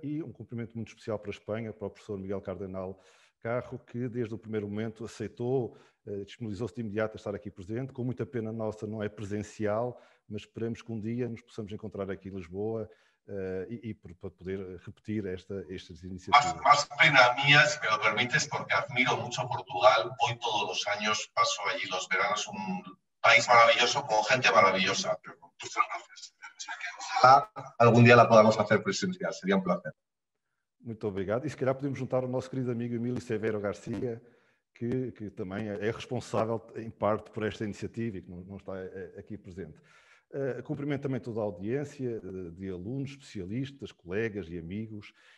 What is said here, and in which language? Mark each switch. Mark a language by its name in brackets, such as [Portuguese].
[Portuguese] E um cumprimento muito especial para a Espanha, para o professor Miguel Cardenal Carro, que desde o primeiro momento aceitou, disponibilizou-se de imediato a estar aqui presente. Com muita pena nossa, não é presencial, mas esperemos que um dia nos possamos encontrar aqui em Lisboa para poder repetir estas iniciativas. [Spanish] Más pena mía, si me lo permites, porque admiro mucho Portugal. Voy todos los años, paso allí los veranos, un país maravilloso, con gente maravillosa. Pero muchas gracias. Ojalá algún día la podamos hacer presencial, sería un placer. [Portuguese] Muito obrigado. E se calhar podemos juntar o nosso querido amigo Emílio Severo Garcia, que também é responsável, em parte, por esta iniciativa e que não está aqui presente. Cumprimento também toda a audiência de alunos, especialistas, colegas e amigos.